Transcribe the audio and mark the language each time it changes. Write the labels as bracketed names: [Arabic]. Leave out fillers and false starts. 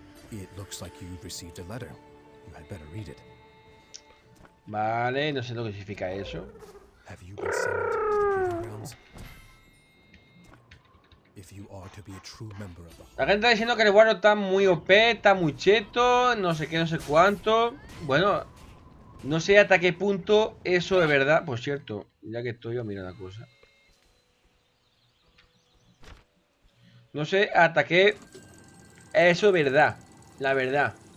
[English] It looks like you've received a letter. You had better read it. [Spanish] Vale, no sé lo que significa eso. [English] Have you been summoned to the proving grounds? If you are to be a true member of the... [Spanish] La gente está diciendo que el guardo está muy OP, está muy cheto, no sé qué, no sé cuánto. Bueno, no sé hasta qué punto eso de verdad. Por cierto, ya que estoy yo, mira la cosa. No sé hasta qué eso es verdad, la verdad.